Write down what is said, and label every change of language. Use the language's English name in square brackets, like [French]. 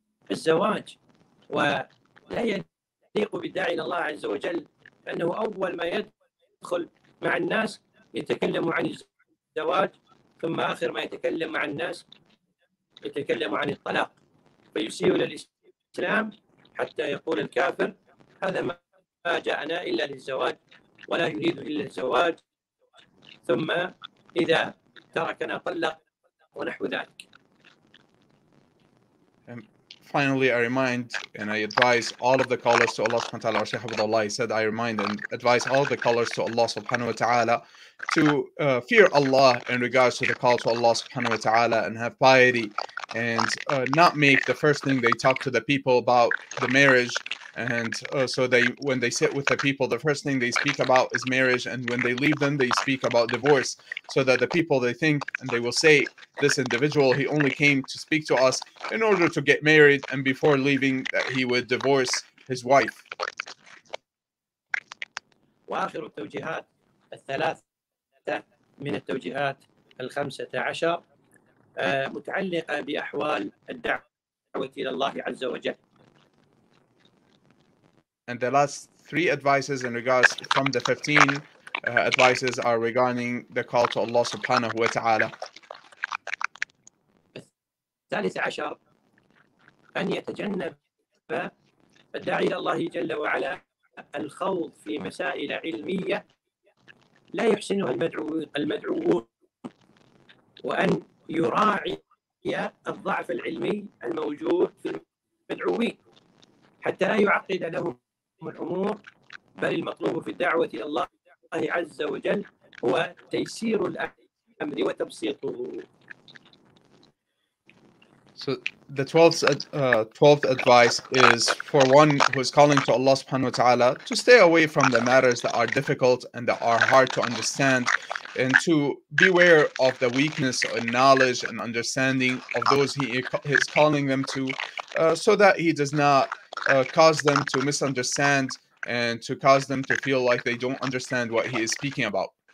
[Arabic] الزواج ولا يليق بالداعي لله عز وجل أنه أول ما يدخل مع الناس يتكلم عن الزواج ثم آخر ما يتكلم مع الناس يتكلم عن الطلاق فيسيء للإسلام حتى يقول الكافر هذا ما ما جاءنا إلا للزواج ولا يريد إلا الزواج ثم إذا تركنا طلق ونحو ذلك. [English] Finally, I remind and I advise all of the callers to Allah subhanahu wa ta'ala. Our Shaykh Abdullah said, I remind and advise all the callers to Allah subhanahu wa ta'ala to fear Allah in regards to the call to Allah subhanahu wa ta'ala and have piety and not make the first thing they talk to the people about the marriage. And so they when they sit with the people, the first thing they speak about is marriage. And when they leave them, they speak about divorce so that the people they think and they will say, this individual, he only came to speak to us in order to get married and before leaving that he would divorce his wife. [Arabic] وآخر التوجيهات الثلاثة من التوجيهات الخمسة عشر متعلقة بأحوال الدعوة إلى الله عز وجل. [English] And the last three advices in regards from the 15 advices are regarding the call to Allah subhanahu wa ta'ala. [Arabic] الثالث عشر أن يتجنب الداعي إلى الله جل وعلا الخوض في مسائل علمية لا يحسنها المدعوون وأن يراعي الضعف العلمي الموجود في المدعوين حتى لا يعقد لهم الأمور بل المطلوب في الدعوة إلى الله عز وجل هو تيسير الأمر وتبسيطه. [English] So the 12th advice is for one who is calling to Allah subhanahu wa ta'ala to stay away from the matters that are difficult and that are hard to understand and to beware of the weakness and knowledge and understanding of those he is calling them to so that he does not cause them to misunderstand and to cause them to feel like they don't understand what he is speaking about.